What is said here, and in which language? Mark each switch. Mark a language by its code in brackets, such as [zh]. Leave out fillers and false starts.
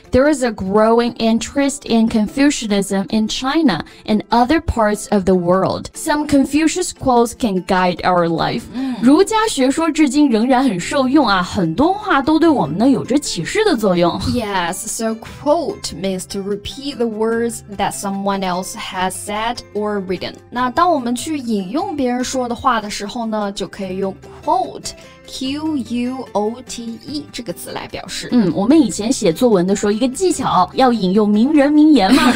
[en] There is a growing interest in Confucianism in China and other parts of the world. Some Confucius quotes can guide our life. [zh] 儒家学说至今仍然很受用啊，很多话都对我们呢有着启示的作用。 [en] Yes. So quote means to repeat the words that someone else has said or written. [zh] 那当我们去引用别人说的话的时候呢，就可以用 quote. Q-U-O-T-E 这个词来表示我们以前写作文的时候一个技巧要引用名人名言嘛